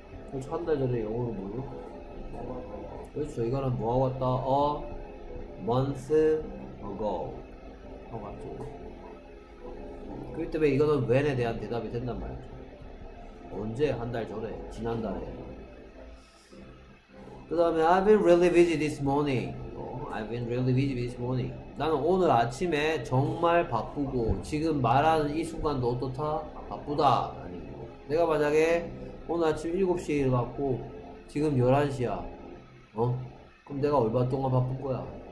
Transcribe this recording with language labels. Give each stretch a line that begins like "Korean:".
Korean: 그렇죠. 한 달 전에 영어로 뭐요? 그렇죠. 이거는 뭐 하고 왔다? A month ago 하고 왔죠. 그렇기 때문에 이거는 when에 대한 대답이 된단 말이죠. 언제? 한 달 전에. 지난달에. 그 다음에
English: I've been really busy this morning. I've been really busy this morning.
Korean: 나는 오늘 아침에 정말 바쁘고 지금 말하는 이 순간도 어떻다? 바쁘다. 아니, 내가 만약에 오늘 아침 7시에 일어났고 지금 11시야. 어? 그럼 내가 얼마 동안 바쁜 거야?